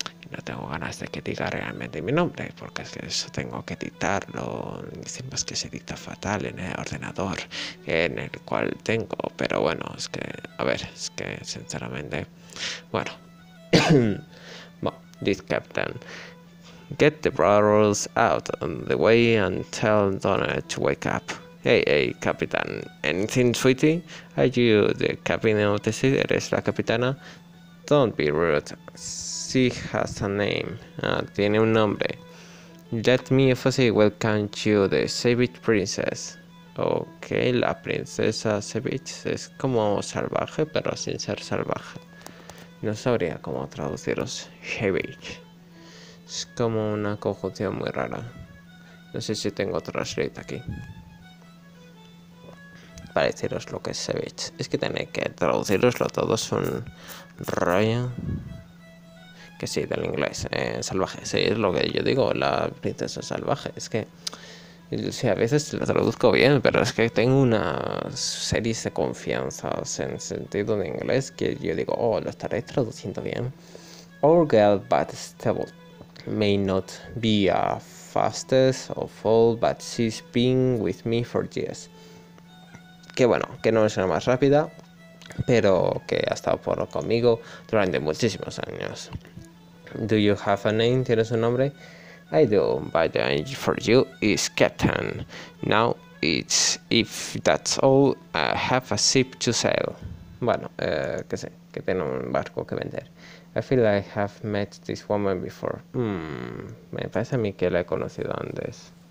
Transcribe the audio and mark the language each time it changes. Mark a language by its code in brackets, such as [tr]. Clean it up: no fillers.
[es] No tengo ganas de que diga realmente mi nombre, porque es que eso tengo que dictarlo. Dicen más que se dicta fatal en el ordenador en el cual tengo, pero bueno, es que, a ver, es que sinceramente, bueno. [en] Bueno, this captain. Get the brothers out on the way and tell Donna to wake up. Hey, capitán. Anything, sweetie? Are you the captain of the ship? [es] ¿Eres la capitana? [en] Don't be rude. She has a name. [es] Ah, tiene un nombre. [en] Let me officially welcome you, the Savage Princess. [es] Ok, la princesa Savage es como salvaje, pero sin ser salvaje. No sabría cómo traduciros. Savage. Es como una conjunción muy rara. No sé si tengo translate aquí. Para deciros lo que es Savage. Es que tenéis que traduciroslo todo, es un rollo. Que sí, del inglés. Salvaje, sí, es lo que yo digo, la princesa salvaje. Es que, o sea, a veces lo traduzco bien, pero es que tengo unas series de confianzas en sentido de inglés que yo digo, oh, lo estaré traduciendo bien. [en] Our girl, but stable. May not be a fastest of all, but she's been with me for years. [es] Que bueno, que no es la más rápida, pero que ha estado por conmigo durante muchísimos años. [en] Do you have a name? [es] ¿Tienes un nombre? [en] I do, but the name for you is Captain. Now it's if that's all, I have a ship to sail. [es] Bueno, que sé, que tengo un barco que vender. [en] I feel like I have met this woman before. [es] Me parece a mí que la he conocido antes.